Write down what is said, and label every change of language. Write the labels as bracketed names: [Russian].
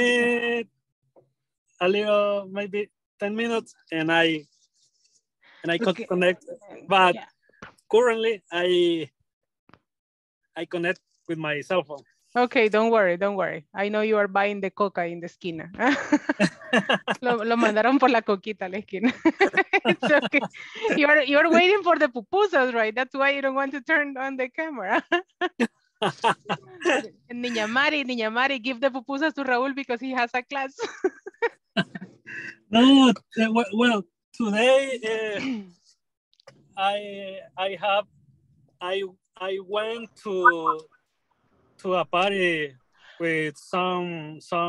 [English] Me a little, maybe 10 minutes and I could connect, but yeah. Currently I connect with my cell phone. Okay, don't worry. I know you are buying the coca in the esquina. [Spanish] lo mandaron por la coquita a la esquina. [English] It's okay. You're waiting for the pupusas, right? That's why you don't want to turn on the camera. Niña Mari, give the pupusas to Raul because he has a class. No, well, today I went to a party with some